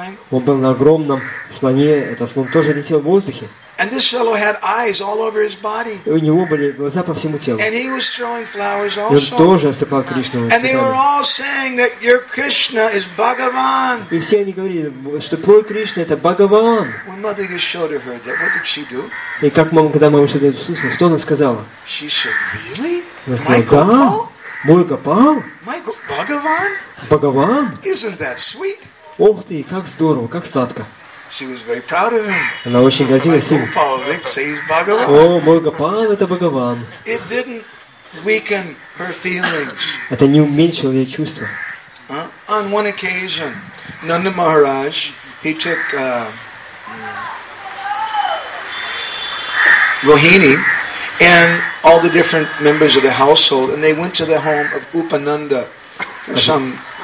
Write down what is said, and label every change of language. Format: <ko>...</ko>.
<ru>Он был на огромном слоне, этот слон тоже летел в воздухе.</ru> <en>And this fellow had eyes all over his body.</en> <ru>И у него были глаза по всему телу.</ru> <en>And he was throwing flowers also.</en> <ru>И он тоже осыпал Кришну.</ru> <en>And they were all saying that your Krishna is Bhagavan.</en> <ru>И все они говорили, что твой Кришна это Бхагаван.</ru> <en>When Mother Yashoda heard that, what did she do?</en> <ru>И как мама, когда мама Яшода это услышала, что она сказала?</ru> <en>She said, really?</en> <ru>Она сказала, да? Мой Гопал? Бхагаван? Бхагаван?</ru> <en>Isn't that sweet?</en> <ru>Ох ты, как здорово, как сладко.</ru> <en>She was very proud of him.</en> <ru>Она очень гордилась им.</ru> <en>Gopal, says Bhagavan.</en> <ru>О, мой Гопал это Бхагаван.</ru> <en>It didn't weaken her feelings.</en> <ru>Это не уменьшило ее чувства.</ru> <en>On one occasion, Nanda Maharaj, he took Rohini and all the different members of the household, and they went to the home of Upananda for some.</en>